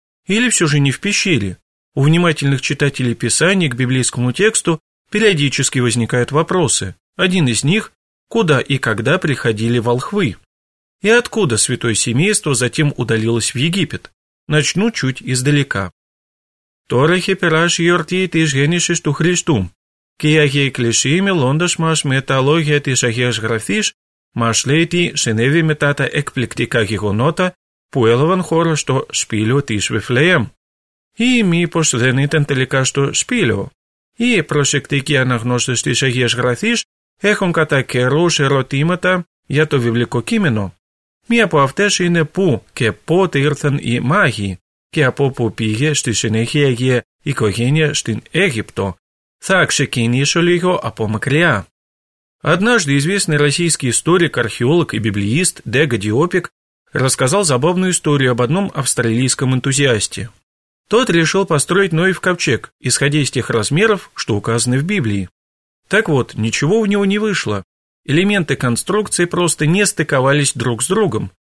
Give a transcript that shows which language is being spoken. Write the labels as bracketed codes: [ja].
[ru] Или все же не в пещере. У внимательных читателей Писания к библейскому тексту периодически возникают вопросы. Один из них – куда и когда приходили волхвы? И откуда святое семейство затем удалилось в Египет? Начну чуть издалека. [el] Τώραχε περάσει η γιορτή της γέννησης του Χριστού και η Αγία Εκκλησία μιλώντας μας με τα λόγια της Αγίας Γραφής μας λέει τι συνέβη μετά τα εκπληκτικά γεγονότα που έλαβαν χώρα στο σπήλαιο της Βιφλέμ. Ή μήπως δεν ήταν τελικά στο σπήλαιο. Οι προσεκτικοί αναγνώστες της Αγίας Γραφής έχουν κατά καιρούς ερωτήματα για το βιβλικό κείμενο. Μία από αυτές είναι πού και πότε ήρθαν οι μάγοι και από πού πήγε στη συνέχεια η οικογένεια στην Αίγυπτο. Θα ξεκινήσω λίγο από μακριά. [ru] Однажды известный российский историк, археолог и библеист Дега Диопик рассказал забавную историю об одном австралийском энтузиасте. Тот решил построить Ноев ковчег, исходя из тех размеров, что указаны в Библии. Так вот, ничего у него не вышло. Элементы конструкции просто не стыковались друг с другом.